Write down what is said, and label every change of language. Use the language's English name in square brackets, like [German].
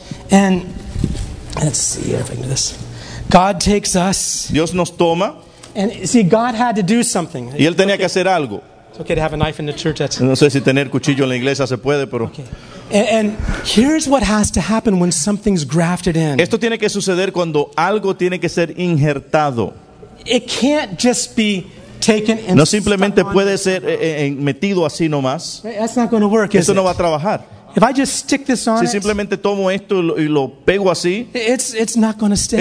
[English] And let's see here if I can do this. God takes us. [Spanish] Dios nos toma. [English] And see, God had to do something. [Spanish] Y él tenía que hacer algo. [English] Okay, to have a knife in the church. [Spanish] No sé si tener cuchillo en la iglesia se puede, pero. [English] And here's what has to happen when something's grafted in. [Spanish] Esto tiene que suceder cuando algo tiene que ser injertado. [English] It can't just be taken and. [Spanish] No simplemente puede ser metido así nomás. [English] That's not going to work. [Spanish] Eso no va a trabajar. [English] If I just stick this on. [Spanish] Si simplemente tomo esto y lo pego así. [English] It's not going to stay.